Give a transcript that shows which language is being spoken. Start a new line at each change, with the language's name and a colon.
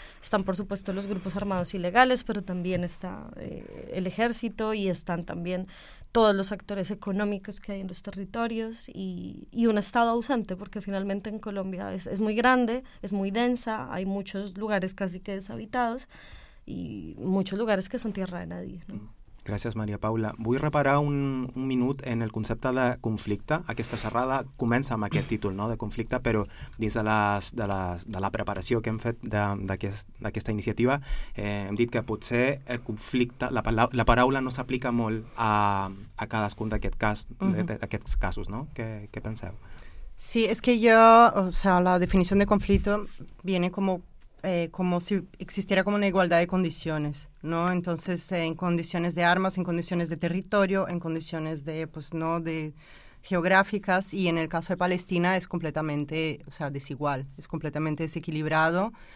Spanish: Están, por supuesto, los grupos armados ilegales, pero también está el ejército y están también todos los actores económicos que hay en los territorios y un Estado ausente, porque finalmente en Colombia es muy grande, es muy densa, hay muchos lugares casi que deshabitados y muchos lugares que son tierra de nadie, ¿no?
Catalan: Gràcies, Maria Paula. Vull reparar un minut en el concepte de conflicte. Aquesta xerrada comença amb aquest títol, no?, de conflicte, però dins de la preparació que hem fet d'aquesta iniciativa, hem dit que potser el conflicte, la paraula no s'aplica molt a cadascun d'aquests casos, no? Què penseu? Sí, és que jo,
Spanish: o sea,
Catalan: la definició de conflicte
Spanish: viene como si existiera como una igualdad de condiciones, ¿no? Entonces, en condiciones de armas, en condiciones de territorio, en condiciones de, pues, ¿no?, de geográficas, y en el caso de Palestina es completamente, o sea, desigual, es completamente desequilibrado.